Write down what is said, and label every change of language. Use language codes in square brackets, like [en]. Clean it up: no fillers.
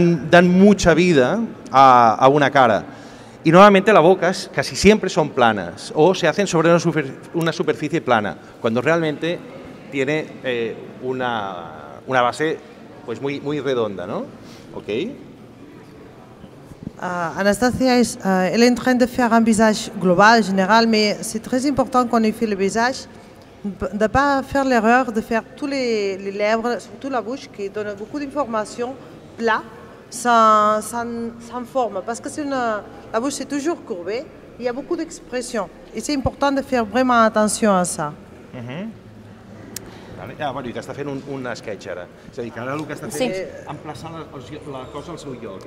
[es] Dan mucha vida a una cara. Y normalmente las bocas casi siempre son planas o se hacen sobre una superficie plana, cuando realmente tiene una base pues muy, muy redonda, ¿no? ¿Ok? [fr] Anastasia, elle est en train de faire un visage global, général, mais c'est très important qu'on ait fait le visage, de ne pas faire l'erreur de faire tous les lèvres, surtout la bouche, qui donne beaucoup d'informations plat. Sans forme, parce que la bouche est toujours courbée, il y a beaucoup d'expression. Et c'est important de faire vraiment attention à ça. Mm-hmm. [ca] Ah, bueno, i t'està fent un sketch ara. És a dir, que ara el que està fent sí. És emplaçar la cosa al seu lloc.